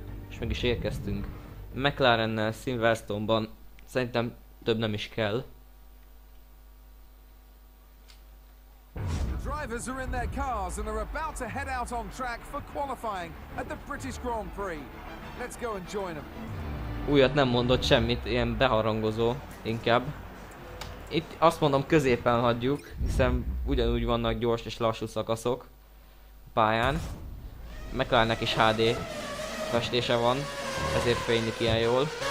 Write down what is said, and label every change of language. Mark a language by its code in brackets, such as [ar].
[hu] És meg is érkeztünk. McLarennel Silverstone-ban szerintem több nem is kell. [en] Drivers are in their cars and are about to head out on track for qualifying at the British Grand Prix. Let's go and join them. [hu] Újat nem mondott semmit, ilyen beharangozó inkább. Itt azt mondom, középen hagyjuk, hiszen ugyanúgy vannak gyors és lassú szakaszok a pályán. McLarennek is HD festése van, ezért fénylik ilyen jól.